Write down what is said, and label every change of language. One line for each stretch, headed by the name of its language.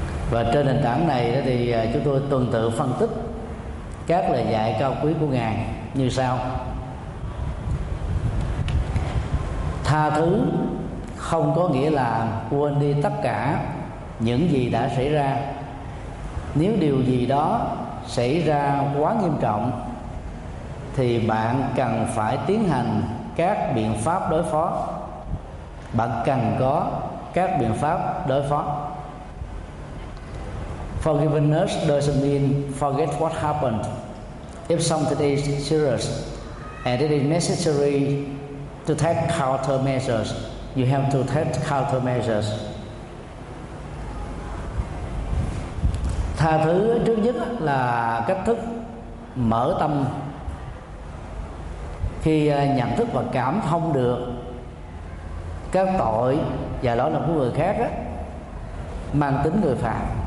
Vietnamese: Và trên nền tảng này đó thì chúng tôi tuần tự phân tích các lời dạy cao quý của Ngài như sau: tha thứ không có nghĩa là quên đi tất cả những gì đã xảy ra. Nếu điều gì đó xảy ra quá nghiêm trọng thì bạn cần phải tiến hành các biện pháp đối phó. Bạn cần có các biện pháp đối phó.
English: Forgiveness doesn't mean forget what happened. If something is serious and it is necessary to take countermeasures, you have to take countermeasures.
Vietnamese: Tha thứ trước nhất là cách thức mở tâm. Khi nhận thức và cảm thông được các tội và lỗi lầm của người khác á, mang tính người phạm.